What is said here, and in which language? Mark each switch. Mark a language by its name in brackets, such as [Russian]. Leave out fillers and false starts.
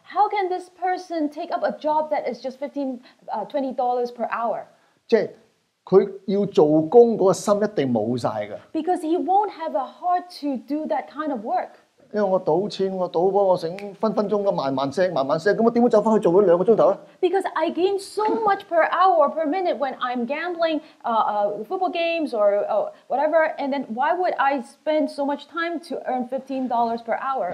[English] ？How can this person take up a job that is just $15-20 per hour? [Cantonese] 即佢要做工嗰個心一定冇曬嘅。 [English] Because he won't have a heart to do that kind of work. [Cantonese] 因為我賭錢，我賭波，我醒分分鐘咁慢慢聲，慢慢聲，咁我點會走翻去做咗2個鐘頭咧 [English] ？Because I gain so much per hour per minute when I'm gambling, football games or whatever, and then why would I spend so much time to earn $15 per hour?